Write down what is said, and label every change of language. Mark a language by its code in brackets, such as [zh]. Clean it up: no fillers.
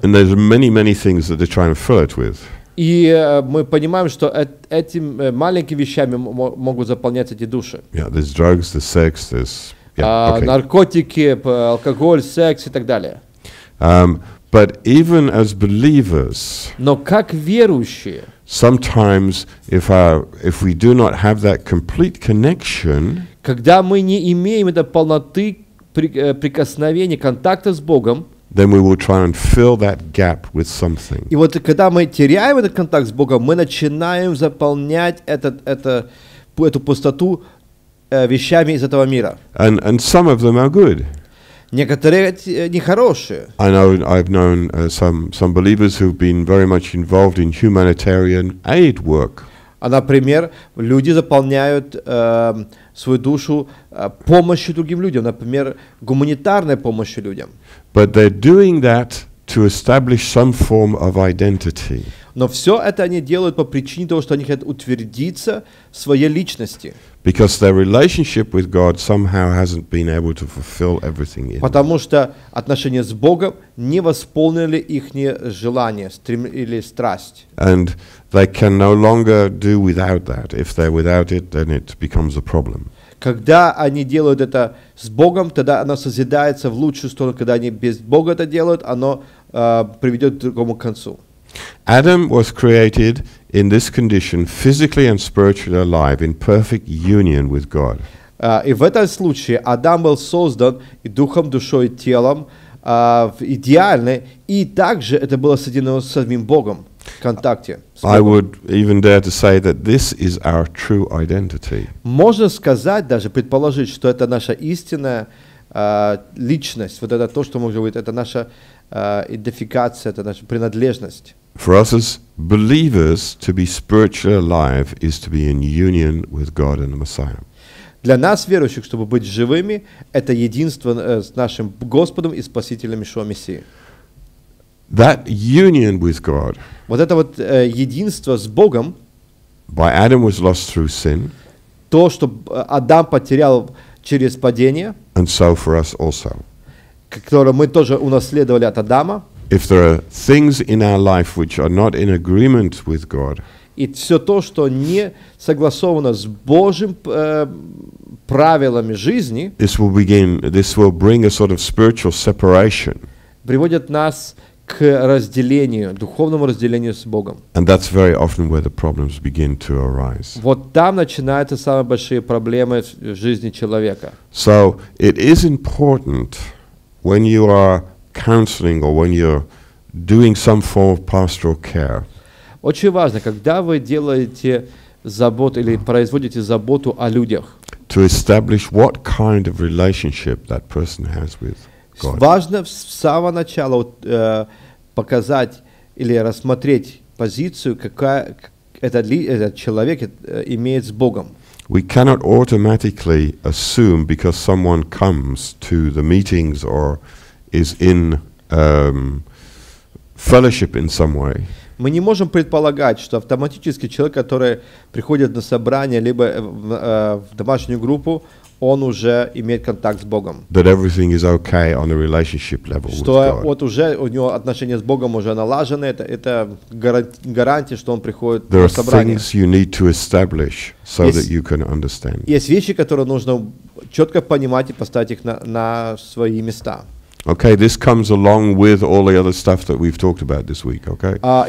[en] And there's many, many things that they try and fill it with. [ru] И мы понимаем, что этим маленькими вещами могут заполняться эти души. [en] Yeah, there's drugs, there's sex, there's [ru] наркотики, алкоголь, секс и так далее. [en] But even as believers, [ru] но как верующие, [en] sometimes if we do not have that complete connection, [ru] когда мы не имеем это полноты прикосновения, контакта с Богом, [en] then we will try and fill that gap with something. [ru] И вот когда мы теряем этот контакт с Богом, мы начинаем заполнять эту пустоту вещами из этого мира. [en] And some of them are good. [ru] Некоторые нехорошие. [en] I know I've known some believers who've been very much involved in humanitarian aid work. [ru] Например, люди заполняют свою душу помощью другим людям, например, гуманитарной помощью людям. [en] But they're doing that to establish some form of identity. [ru] Но все это они делают по причине того, что они хотят утвердиться в своей личности. [en] Because their relationship with God somehow hasn't been able to fulfill everything in them. [ru] Потому что отношения с Богом не восполнили их желание, стрем или страсть. [en] And they can no longer do without that. If they're without it, then it becomes a problem. [ru] Когда они делают это с Богом, тогда оно созидается в лучшую сторону. Когда они без Бога это делают, оно приведет к другому концу. [en] Adam was created in this condition, physically and spiritually alive, in perfect union with God. [ru] И в этом случае Адам был создан и духом, душой, и телом в идеальной, и также это было соединено с самим Богом в контакте. [en] I would even dare to say that this is our true identity. [ru] Можно сказать, даже предположить, что это наша истинная личность. Вот это то, что может быть, это наша идентификация, это наша принадлежность. [en] For us as believers to be spiritually alive is to be in union with God and the Messiah. [ru] Для нас верующих, чтобы быть живыми, это единство с нашим Господом и Спасителем Иешуа Мессией. [en] That union with God. [ru] Вот это вот единство с Богом. [en] By Adam was lost through sin. [ru] То, что Адам потерял через падение. [en] And so for us also. [ru] Которое мы тоже унаследовали от Адама. [en] If there are things in our life which are not in agreement with God, [ru] и все то, что не согласовано с Божьим правилами жизни, [en] this will bring a sort of spiritual separation, [ru] приводит нас к разделению, духовному разделению с Богом. [en] And that's very often where the problems begin to arise. [ru] Вот там начинаются самые большие проблемы в жизни человека. [en] So it is important when you are counseling or when you're doing some form of pastoral care. [ru] Очень важно, когда вы делаете заботу или производите заботу о людях. [en] To establish what kind of relationship that person has with God. [ru] Важно с самого начала показать или рассмотреть позицию, какая этот человек имеет с Богом. [en] We cannot automatically assume because someone comes to the meetings or is in fellowship in some way. [ru] Мы не можем предполагать, что автоматически человек, который приходит на собрание либо в домашнюю группу, он уже имеет контакт с Богом. [en] That everything is okay on a relationship level with [ru] Что вот уже у него отношения с Богом уже налажены, это гарантия, что он приходит [en] there [ru] на собрание. [en] There are things you need to establish so that you can understand. [ru] Есть вещи, которые нужно четко понимать и поставить их на свои места. [en] Okay, this comes along with all the other stuff that we've talked about this week, okay?